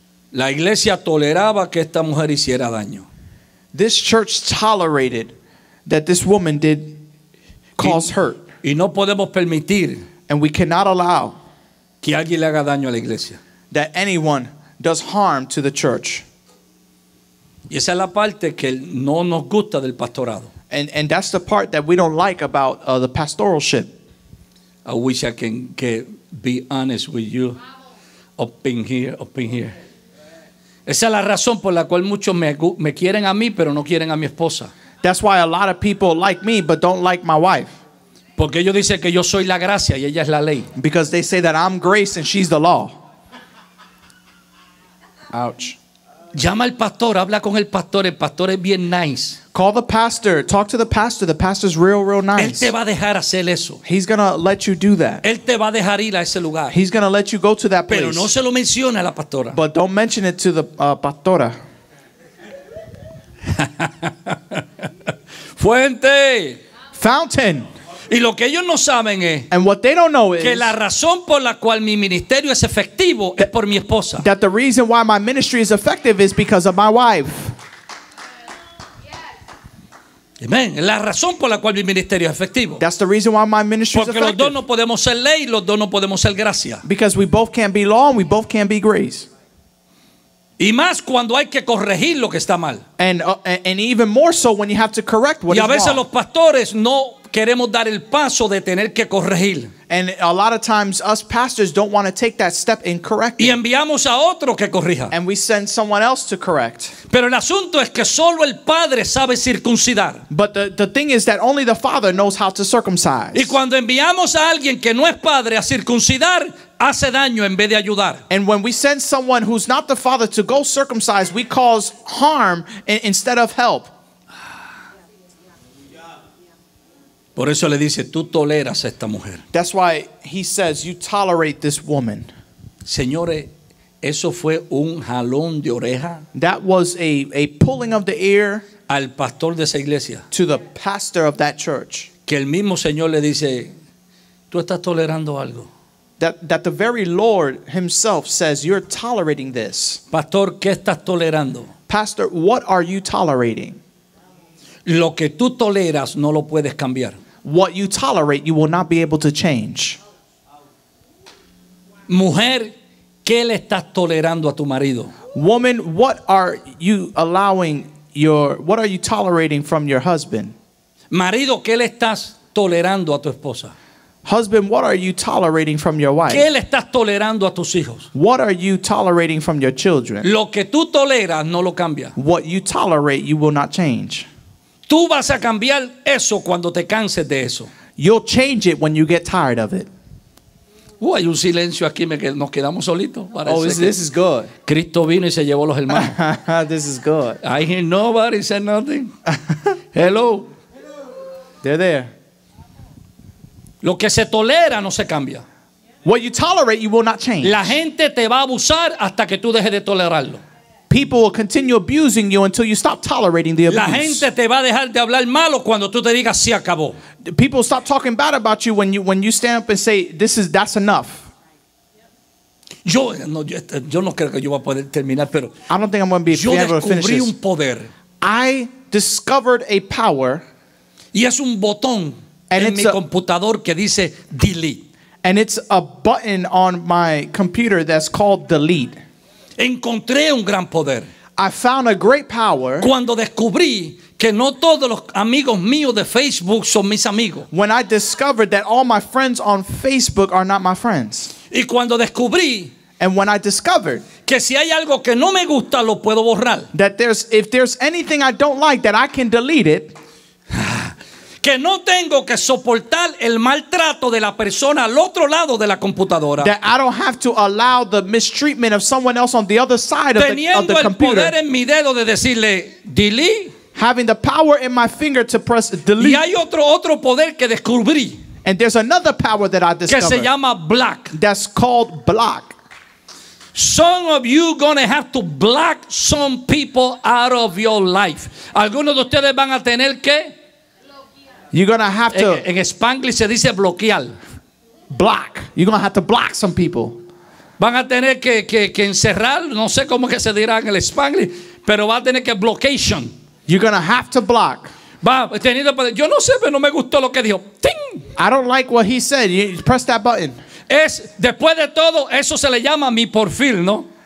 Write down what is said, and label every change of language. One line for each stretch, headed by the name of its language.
Spanish: La iglesia toleraba que esta mujer hiciera daño.
English: This church tolerated that this woman did cause hurt.
Spanish: Y no podemos permitir,
English: and we cannot allow,
Spanish: que alguien le haga daño a la iglesia.
English: That anyone does harm to the church.
Spanish: Y esa es la parte que no nos gusta del pastorado.
English: And that's the part that we don't like about the pastoralship. I wish I can be honest with you. Up in here.
Spanish: Esa es la razón por la cual muchos me quieren a mí, pero no quieren a mi esposa.
English: That's why a lot of people like me, but don't like my wife.
Spanish: Porque ellos dicen que yo soy la gracia y ella es la ley.
English: Because they say that I'm grace and she's the law. Ouch.
Spanish: Llama al pastor, habla con el pastor es bien nice.
English: Call the pastor, talk to the pastor's real, real nice.
Spanish: Él te va a dejar hacer eso.
English: He's going to let you do that.
Spanish: Él te va a dejar ir a ese lugar.
English: He's going to let you go to that place.
Spanish: Pero no se lo menciona a la pastora.
English: But don't mention it to the pastora.
Spanish: Fuente.
English: Fountain.
Spanish: Y lo que ellos no saben es,
English: and what they don't know is,
Spanish: que la razón por la cual mi ministerio es efectivo
English: that,
Spanish: es por mi esposa.
English: That the reason why my ministry is effective is because of my wife. Amen.
Spanish: La razón por la cual mi ministerio es efectivo.
English: That's the reason why my ministry
Spanish: porque
English: is effective.
Spanish: Porque los dos no podemos ser ley, los dos no podemos ser gracia.
English: Because we both can't be law and we both can't be grace.
Spanish: Y más cuando hay que corregir lo que está mal.
English: And even more so when you have to correct what is wrong.
Spanish: Y a veces los pastores no queremos dar el paso de tener que corregir.
English: And a lot of times us pastors don't want to take that step in correcting.
Spanish: Y enviamos a otro que corrija.
English: And we send someone else to correct.
Spanish: Pero el asunto es que solo el padre sabe circuncidar.
English: But the thing is that only the father knows how to circumcise.
Spanish: Y cuando enviamos a alguien que no es padre a circuncidar, hace daño en vez de ayudar.
English: And when we send someone who's not the father to go circumcise, we cause harm instead of help.
Spanish: Por eso le dice, tú toleras a esta mujer.
English: That's why he says, you tolerate this woman.
Spanish: Señores, eso fue un jalón de oreja.
English: That was a pulling of the ear.
Spanish: Al pastor de esa iglesia.
English: To the pastor of that church.
Spanish: Que el mismo Señor le dice, tú estás tolerando algo.
English: That the very Lord himself says, you're tolerating this.
Spanish: Pastor, ¿qué estás tolerando?
English: Pastor, what are you tolerating?
Spanish: Lo que tú toleras no lo puedes cambiar.
English: What you tolerate, you will not be able to change.
Spanish: Mujer, ¿qué le estás tolerando a tu marido?
English: Woman, what are you allowing what are you tolerating from your husband?
Spanish: Marido, ¿qué le estás tolerando a tu esposa?
English: Husband, what are you tolerating from your wife?
Spanish: ¿Qué le estás tolerando a tus hijos?
English: What are you tolerating from your children?
Spanish: Lo que tú toleras no lo cambia.
English: What you tolerate, you will not change.
Spanish: Tú vas a cambiar eso cuando te canses de eso.
English: You'll change it when you get tired of it.
Spanish: Hay un silencio aquí, nos quedamos solitos.
English: Oh, this is good.
Spanish: Cristo vino y se llevó los hermanos.
English: This is good. I hear nobody say nothing. Hello. They're there.
Spanish: Lo que se tolera no se cambia.
English: What you tolerate, you will not change.
Spanish: La gente te va a abusar hasta que tú dejes de tolerarlo.
English: People will continue abusing you until you stop tolerating the abuse.
Spanish: La gente te va a dejar de hablar malo cuando tú te digas sí acabó.
English: People stop talking bad about you when you stand up and say that's enough.
Spanish: Yo no creo que yo va a poder terminar, pero
English: I don't think I'm going to be able to finish.
Spanish: Yo descubrí un poder.
English: I discovered a power.
Spanish: Y es un botón en mi computador que dice delete.
English: And it's a button on my computer that's called delete.
Spanish: Encontré un gran poder.
English: I found a great power.
Spanish: Cuando descubrí que no todos los amigos míos de Facebook son mis amigos.
English: When I discovered that all my friends on Facebook are not my friends.
Spanish: Y cuando descubrí.
English: And when I discovered.
Spanish: Que si hay algo que no me gusta, lo puedo borrar.
English: That if there's anything I don't like, that I can delete it.
Spanish: Que no tengo que soportar el maltrato de la persona al otro lado de la computadora.
English: That I don't have to allow the mistreatment of someone else on the other side of the computer.
Spanish: Teniendo el poder en mi dedo de decirle delete.
English: Having the power in my finger to press delete.
Spanish: Y hay otro poder que descubrí.
English: And there's another power that I discovered.
Spanish: Que se llama block.
English: That's called block. Some of you gonna have to block some people out of your life.
Spanish: Algunos de ustedes van a tener que.
English: You're going to have to.
Spanish: En Spanglish se dice bloquear.
English: Block. You're going to have to block some people.
Spanish: Van a tener que encerrar. No sé cómo que se dirá en el Spanglish. Pero va a tener que blockation.
English: You're going to have to block.
Spanish: Va, teniendo, yo no sé, pero no me gustó lo que dijo. ¡Ting!
English: I don't like what he said. You press that button.
Spanish: Es, después de todo, eso se le llama mi perfil, ¿no?